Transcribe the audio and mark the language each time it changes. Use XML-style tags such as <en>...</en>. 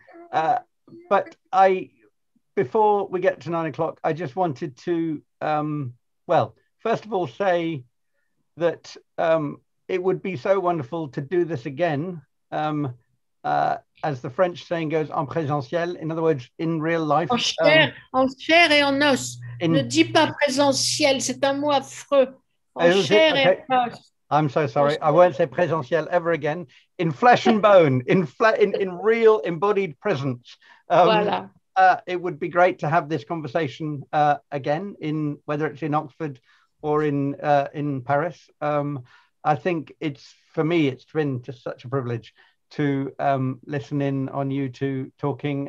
<en>But before we get to 9 o'clock, I just wanted to, first of all, say that it would be so wonderful to do this again, as the French saying goes, en présentiel, in other words, in real life.</en> <fr>En chair et en os. Ne dis pas présentiel, c'est un mot affreux. En chair et en os.</fr> <en>I'm so sorry. I won't say présentiel ever again. In flesh and bone, in real embodied presence. It would be great to have this conversation again, in whether it's in Oxford or in Paris. I think it's been just such a privilege to listen in on you two talking.</en>